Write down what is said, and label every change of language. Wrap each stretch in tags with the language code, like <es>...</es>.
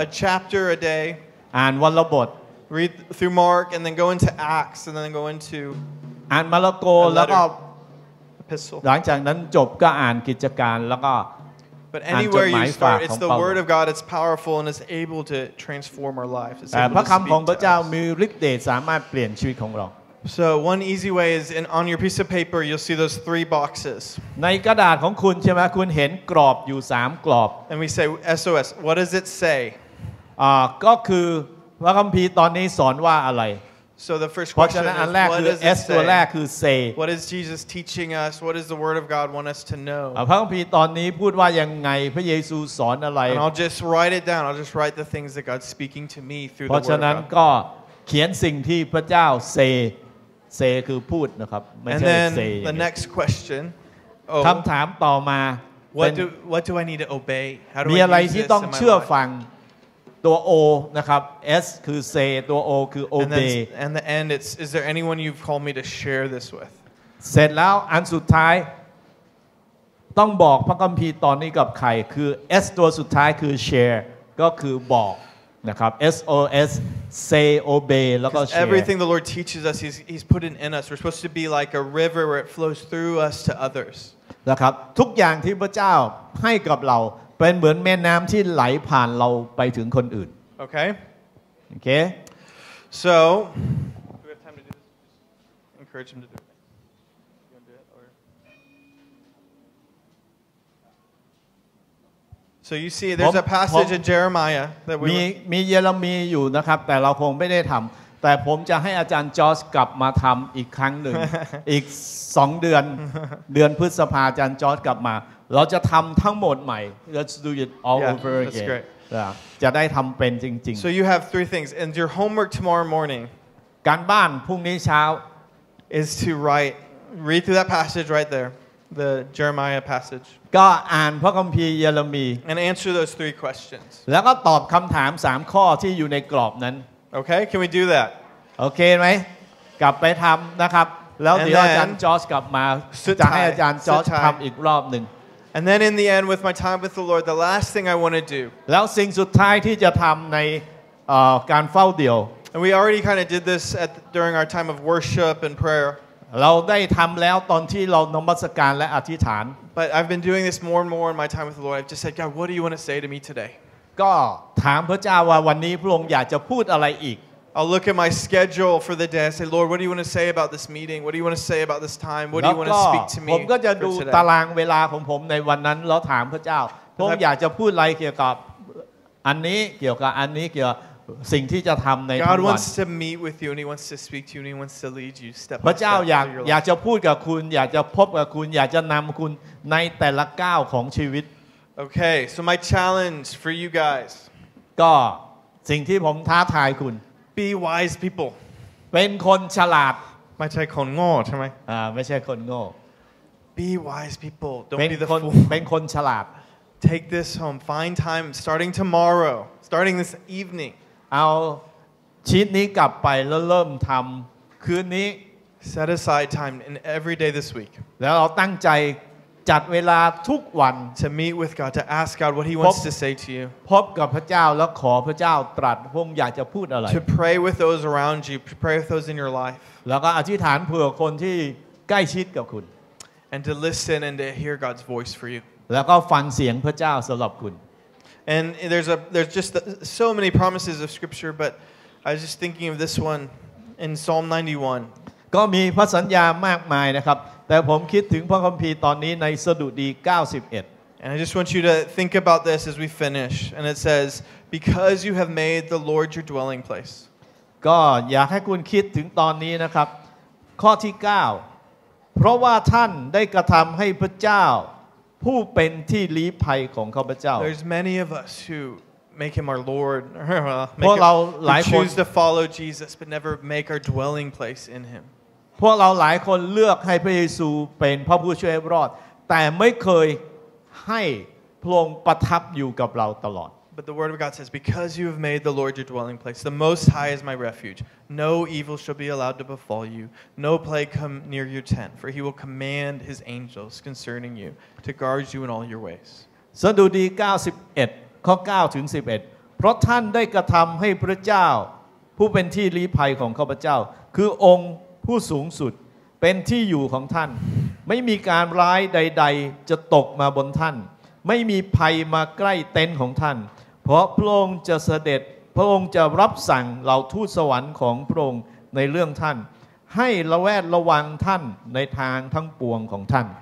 <en>A chapter a day</en> <th>อ่านวันละบท</th> <en>Read through Mark and then go into Acts and then go into</en> <th>อ่านมาระโกแล้วก็</th> <en>Epistle</en> <th>หลังจากนั้นจบก็อ่านกิจการแล้วก็</th> <en>But anywhere you start, it's the word of God. It's powerful and it's able to transform our lives.</en> <th>พระคำของพระเจ้ามีฤทธิ์เดชสามารถเปลี่ยนชีวิตของเรา</th> <en>So one easy way is in, on your piece of paper, you'll see those three boxes.</en> <th>ในกระดาษของคุณใช่ไหมคุณเห็นกรอบอยู่3กรอบ</th> <en>And we say SOS. What does it say?</en> <th>ก็คือพระคัมภีร์ตอนนี้สอนว่าอะไร</th> <en>So the first question is, what does it say? What is Jesus teaching us? What does the Word of God want us to know?</en> <th>พระคัมภีร์ตอนนี้พูดว่ายังไงพระเยซูสอนอะไร</th> <en>And I'll just write it down. I'll just write the things that God's speaking to me through the Word</en> <th>เพราะฉะนั้นก็เขียนสิ่งที่พระเจ้า say คือพูดนะครับไม่ใช่ say</th> <en>And then the next question.</en> <th>คำถามต่อมา</th> <en>What do I need to obey? How do I</en> <th>มีอะไรที่ต้องเชื่อฟังตัว O นะครับ S คือ say ตัว O คือ obey</th> <en>and the end it's is there anyone you've called me to share this with</en> <th>เสร็จแล้วอันสุดท้ายต้องบอกพระคัมภีร์ตอนนี้กับใครคือ S ตัวสุดท้ายคือ share ก็คือบอกนะครับ SOS say obey แล้วก็ share</th> <en>everything the Lord teaches us he's put in us we're supposed to be like a river where it flows through us to others</en> <th>นะครับทุกอย่างที่พระเจ้าให้กับเราเป็นเหมือนแม่น้ำที่ไหลผ่านเราไปถึงคนอื่น โอเค โอเค</th> <en>so do we have time to do this just encourage him to do it you want to do it or so you see there's a passage in Jeremiah that we</en> <th>มีเยเรมีอยู่นะครับแต่เราคงไม่ได้ทำแต่ผมจะให้อาจารย์จอร์จกลับมาทำอีกครั้งหนึ่งอีก2เดือน เดือนพฤษภาอาจารย์จอร์จกลับมาเราจะทำทั้งหมดใหม่</th> <en>Let's do it all yeah, over again that's great.</en> <th>จะได้ทำเป็นจริง</th> <en>ๆ So you have three things and your homework tomorrow morning</en> <th>การบ้านพรุ่งนี้เช้า</th> <en>is to write read through that passage right there the Jeremiah passage</en> <th>ก็อ่านพระคัมภีร์เยเรมี</th> <en>and answer those three questions</en> <th>แล้วก็ตอบคำถาม3ข้อที่อยู่ในกรอบนั้น</th> <en>Okay, can we do that? Okay, right?</en> <th>กลับไปทำนะครับแล้วเดี๋ยวอาจารย์จอร์จกลับมาจะให้อาจารย์จอร์จทำอีกรอบหนึ่ง</th> <en>And then in the end, with my time with the Lord, the last thing I want to do.</en> <th>แล้วสิ่งสุดท้ายที่จะทำในการเฝ้าเดียว</th> <en>And we already kind of did this during our time of worship and prayer.</en> <th>เราได้ทำแล้วตอนที่เรานมัสการและอธิษฐาน</th> <en>But I've been doing this more and more in my time with the Lord. I've just said, God, what do you want to say to me today?</en> <th>ก็ถามพระเจ้าว่าวันนี้พระองค์อยากจะพูดอะไรอีก</th> <en>I'll look at my schedule for the day and say Lord what do you want to say about this meeting what do you want to say about this time what do you want to speak to me</en> <th>ผมก็จะดูตารางเวลาของผมในวันนั้นแล้วถามพระเจ้าพระองค์อยากจะพูดอะไรเกี่ยวกับอันนี้เกี่ยวกับอันนี้เกี่ยวกับสิ่งที่จะทำในวั น</th> <en>God wants to meet with you and he wants to speak to you and he wants to lead you step by step</en> <th>พระเจ้าอยากจะพูดกับคุณอยากจะพบกับคุณอยากจะนำคุณในแต่ละก้าวของชีวิต</th> <en>Okay, so my challenge for you guys.</en> <th>ก็สิ่งที่ผมท้าทายคุณ</th> <en>Be wise people.</en> <th>เป็นคนฉลาด ไม่ใช่คนโง่ใช่ไหม ไม่ใช่คนโง่</th> <en>Be wise people. Don't be the fool.</en> <th>เป็นคนฉลาด</th> <en>Take this home. Find time. Starting tomorrow. Starting this evening.</en> <th>เอาชีทนี้กลับไปแล้วเริ่มทำคืนนี้</th> <en>Set aside time in every day this week.</en> <th>แล้วเราตั้งใจ จัดเวลาทุกวัน</th> <en>to meet with God to ask God what he wants to say to you</en> <th>พบกับพระเจ้าแล้วขอพระเจ้าตรัสพระองค์อยากจะพูดอะไร</th> <en>to pray with those around you to pray with those in your life</en> <th>แล้วก็อธิษฐานเผื่อคนที่ใกล้ชิดกับคุณ</th> <en>and to listen and to hear God's voice for you</en> <th>แล้วก็ฟังเสียงพระเจ้าสำหรับคุณ</th> <en>and there's just so many promises of scripture but I was just thinking of this one in Psalm 91</en> <th>ก็มีพระสัญญามากมายนะครับแต่ผมคิดถึงพระคัมภีร์ตอนนี้ในสดุดี91</th> <en>And I just want you to think about this as we finish and it says because you have made the Lord your dwelling place</en> <th>ก็อยากให้คุณคิดถึงตอนนี้นะครับข้อที่9เพราะว่าท่านได้กระทำให้พระเจ้าผู้เป็นที่ลี้ภัยของข้าพเจ้า</th> <en>There's many of us who make him our Lord</en> <th>พวกเราหลายคน</th> <en>choose to follow Jesus but never make our dwelling place in him</en> <th>พวกเราหลายคนเลือกให้พระเยซูเป็นพระผู้ช่วยรอดแต่ไม่เคยให้พระองค์ประทับอยู่กับเราตลอด</th> <en>But the word of God says because you have made the Lord your dwelling place the most high is my refuge no evil shall be allowed to befall you no plague come near your tent for he will command his angels concerning you to guard you in all your ways</en> <th>สดุดี91ข้อ9ถึง11เพราะท่านได้กระทําให้พระเจ้าผู้เป็นที่ลี้ภัยของข้าพเจ้าคือองค์ผู้สูงสุดเป็นที่อยู่ของท่านไม่มีการร้ายใดๆจะตกมาบนท่านไม่มีภัยมาใกล้เต็นท์ของท่านเพราะพระองค์จะเสด็จพระองค์จะรับสั่งเหล่าทูตสวรรค์ของพระองค์ในเรื่องท่านให้ระแวดระวังท่านในทางทั้งปวงของท่าน</th>